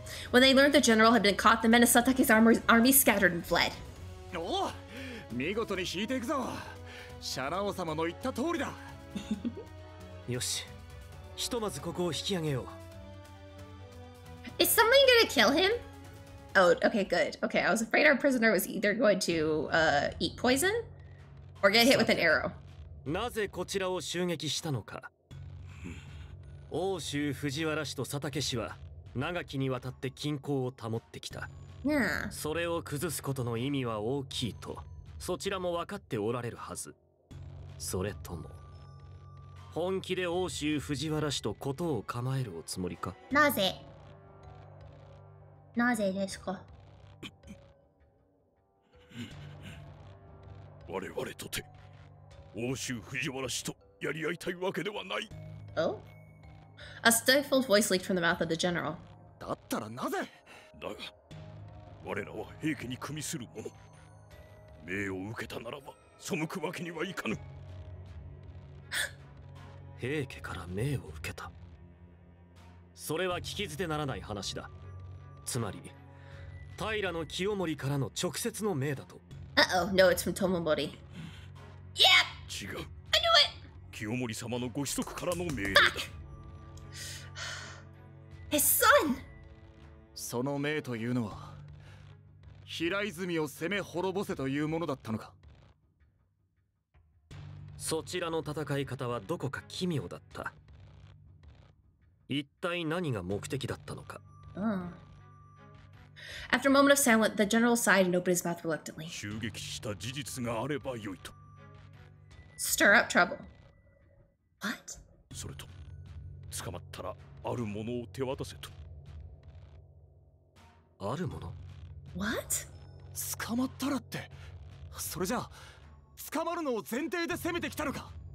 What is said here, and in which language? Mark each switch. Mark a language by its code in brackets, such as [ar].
[en] When they learned the general had been caught, the men of Satake's army scattered and fled. [ja] お、見事に引いていくぞ。シャラオ様の言った通りだ。よし、ひとまずここを引き上げよう。 [en] Is someone gonna kill him? Oh, okay, good. Okay, I was afraid our prisoner was either going to, eat poison or get hit with an arrow. [ja] なぜこちらを襲撃したのか。奥州藤原氏と佐竹氏は長きにわたって均衡を保ってきた。 [en] Yeah. [ja] それを崩すことの意味は大きいと、そちらも分かっておられるはず。それとも、本気で奥州藤原氏とことを構えるおつもりか。なぜ？なぜですか？我々とて、奥州藤原氏とやり合いたいわけではない。 [en] Oh? A stifled voice leaked from the mouth of the general. [ja] だったらなぜ？だが。我らは平家に組みする者。命を受けたならば、背くわけにはいかぬ。平家から命を受けた。それは聞き捨てならない話だ。つまり、平の清盛からの直接の命だと。 [en] Uh-oh, no, it's from Tomomori. Yep! [ja] 違う。 [en] I knew it! [ja] 清盛様のご子息からの命令だ。 [en] His son! [ja] その命というのは、平泉を攻め滅ぼせというものだったのか。そちらの戦い方はどこか奇妙だった。一体何が目的だったのか。 [en] After a moment of silence, the general sighed and opened his mouth reluctantly. [ja] 襲撃した事実があればよいと。 [en] Stir up trouble. What? [ja] それと、捕まったらあるものを手渡せと。あるもの？ [en] What? [ja] 捕まったらって、それじゃあ捕まるのを前提で攻めてきたのか。